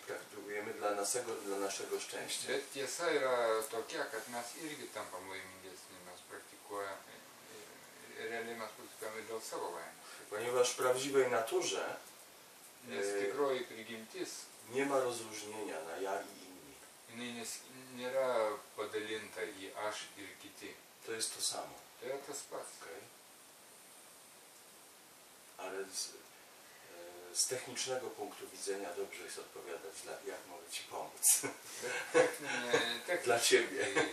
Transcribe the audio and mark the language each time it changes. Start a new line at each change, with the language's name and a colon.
Polish: Praktykujemy dla naszego szczęścia.
Lithuanian: Bet tiesa yra tokia, kad mes irgi tampam laimingesni. Mes praktikuojame, realiai mes praktikuojame dėl savo laimės.
Polish: Ponieważ w prawdziwej naturze nie ma rozróżnienia na ja i inni.
Lithuanian: Nėra padalinta į aš ir kiti.
Polish: To jest to samo.
Lithuanian: To yra tas pats.
English: Okay.
Polish: Ale z technicznego punktu widzenia dobrze jest odpowiadać, jak mogę ci pomóc. Dla ciebie.